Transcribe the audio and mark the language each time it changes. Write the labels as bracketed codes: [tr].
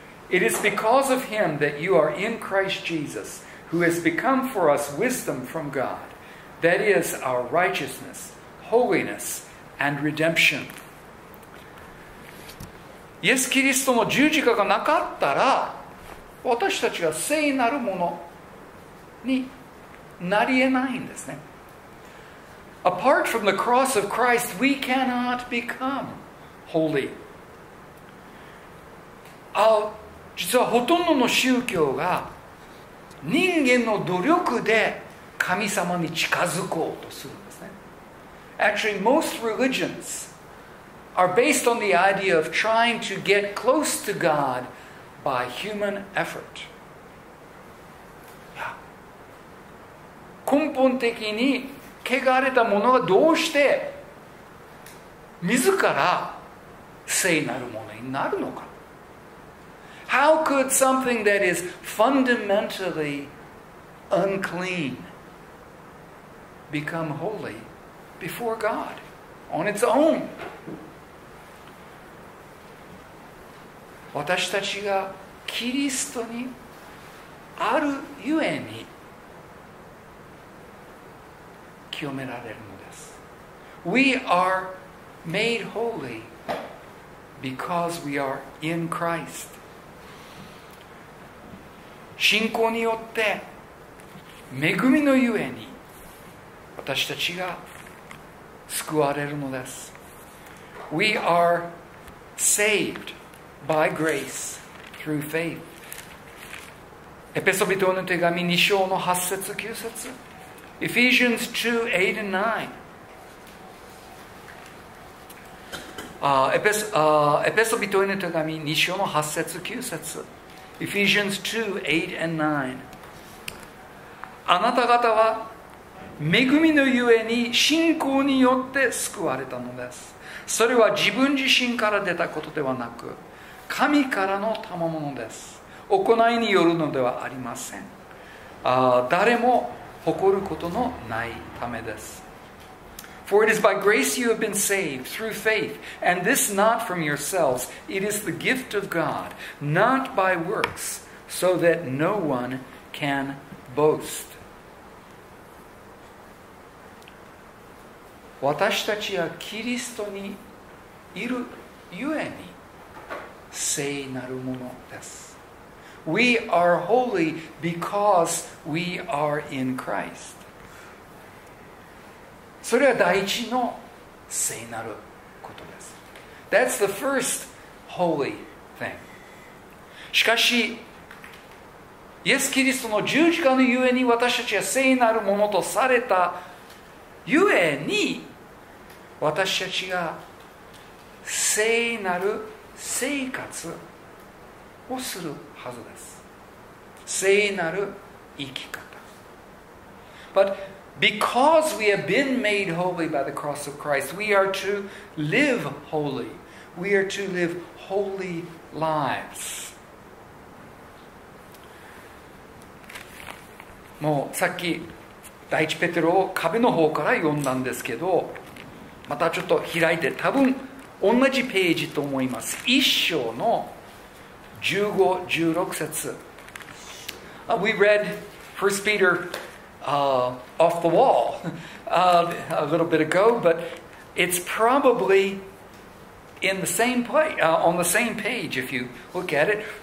[en] It is because of him that you are in Christ Jesus, who has become for us wisdom from God, that is our righteousness, holiness, and redemption. [ja] イエス・キリストの十字架がなかったら、私たちは聖なるものになり得ないんですね。 [en] Apart from the cross of Christ, we cannot become holy. [ja] 実はほとんどの宗教が人間の努力で神様に近づこうとするんですね。 [en] Actually, most religions are based on the idea of trying to get close to God by human effort. [ja] 根本的に汚れたものがどうして自ら聖なるものになるのか。 [en] How could something that is fundamentally unclean become holy before God on its own? [ja] 私たちがキリストにあるゆえに清められるのです。 [en] We are made holy because we are in Christ. [ja] 信仰によって恵みのゆえに私たちが救われるのです。 [en] We are saved by grace through faith. [ja] エペソ人への手紙2章の8節9節。 [en] Ephesians 2:8 and 9. [ja] エペソ人への手紙2章の8節9節。 [en] Ephesians 2:8 and 9. [ja] あなた方は恵みのゆえに信仰によって救われたのです。それは自分自身から出たことではなく、神からの賜物です。行いによるのではありません。誰も誇ることのないためです。 [en] For it is by grace you have been saved through faith, and this not from yourselves, it is the gift of God, not by works, so that no one can boast. [ja] 私たちはキリストにいるゆえに聖なるものです。 [en] We are holy because we are in Christ. [ja] それは第一の聖なることです。 [en] That's the first holy thing. [ja] しかし、イエス・キリストの十字架のゆえに私たちは聖なるものとされたゆえに私たちが聖なる生活をするはずです。聖なる生き方。 [en] But because we have been made holy by the cross of Christ, we are to live holy. We are to live holy lives. [ja] もうさっき第一ペテロを壁の方から読んだんですけど、またちょっと開いて多分同じページと思います。 1章の15、16節、 [en] We read 1 Peter、off the wall、a little bit ago, but it's probably in the same place,、on the same page if you look at it.